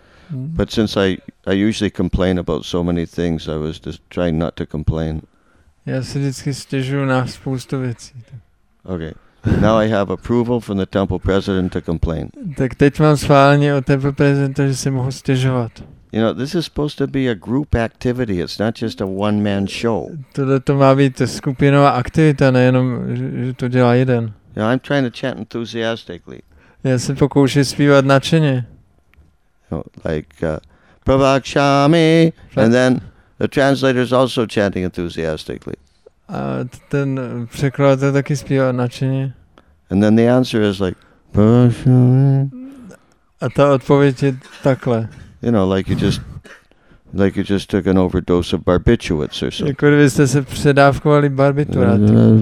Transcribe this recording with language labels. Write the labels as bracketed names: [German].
[English] But since I usually complain about so many things, I was just trying not to complain. [Czech] Já si vždycky stěžuju na spoustu věcí. [English] Okay. Now I have approval from the temple president to complain. [Czech] Tak teď mám schválení od temple prezidenta, že si mohu stěžovat. [English] You know, this is supposed to be a group activity. It's not just a one-man show. [Czech] Tohle to má být skupinová aktivita, nejenom, že to dělá jeden. [English] You know, I'm trying to chant enthusiastically. [Czech] Já se pokouším zpívat nadšeně. [English] Pravakshami, and then the translator is also chanting enthusiastically. [Czech] A ten překladatel taky zpívá nadšeně. [English] And then the answer is like, Pravakshami. [Czech] A ta odpověď je takhle. [English] You know, like you just took an overdose of barbiturates or something. [Czech] Jako kdybyste se předávkovali barbituráty.